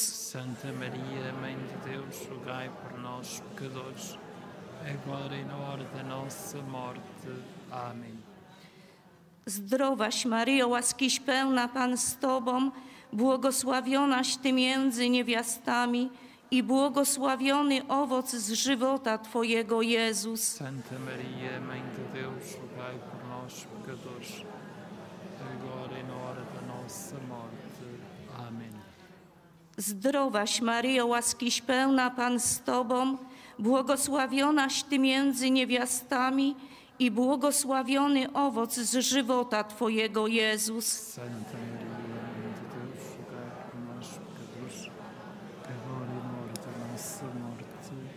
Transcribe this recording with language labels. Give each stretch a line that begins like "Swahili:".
Portuguese: Santa Maria, Mãe de Deus, rogai por nós, pecadores, agora e na hora da nossa morte. Amém.
Polish: Zdrowaś, Mario, łaskiś pełna, Pan z Tobą, błogosławionaś Ty między niewiastami i błogosławiony owoc z żywota Twojego, Jezus.
Portuguese: Santa Maria, Mãe de Deus, rogai por nós, pecadores, agora e na hora da nossa morte. Amém.
Polish: Zdrowaś, Mario, łaskiś pełna, Pan z Tobą, błogosławionaś Ty między niewiastami i błogosławiony owoc z żywota Twojego, Jezus.
Portuguese: Santa Maria, Mãe de Deus, rogai por nós, pecadores, agora e na hora da nossa morte.